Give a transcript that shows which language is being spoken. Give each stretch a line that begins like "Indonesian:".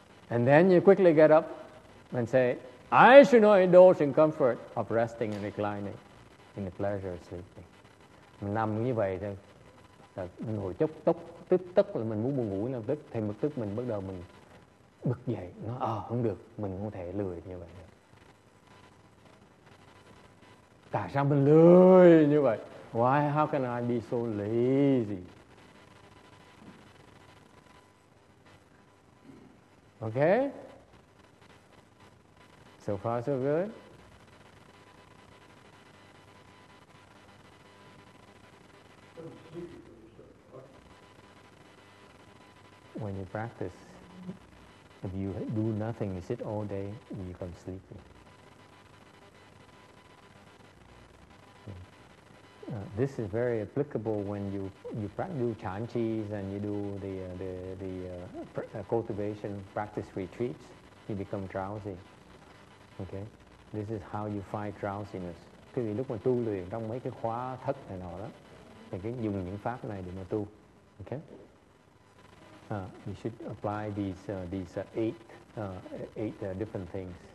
English: And then you quickly get up and say, I should not indulge in comfort of resting and reclining in the pleasure of sleeping.
Vietnamese: Nằm như vậy thì ngồi chốc tốc tức tức là mình muốn buồn ngủ lập tức, thì một tức mình bắt đầu mình bực dậy, nó không được, mình không thể lười như vậy. Tại sao mình lười như vậy?
English: Why? How can I be so lazy? Okay? So far, so good. When you practice, if you do nothing, you sit all day, you become sleepy. This is very applicable when you do chan chis and you do the cultivation practice retreats, you become drowsy. Okay, this is how you fight drowsiness.
Vietnamese: Quý vị lúc mà tu luyện trong mấy cái khóa thất này nọ đó, thì cái dùng những pháp này để mà tu.
English: Okay, you should apply these eight different things.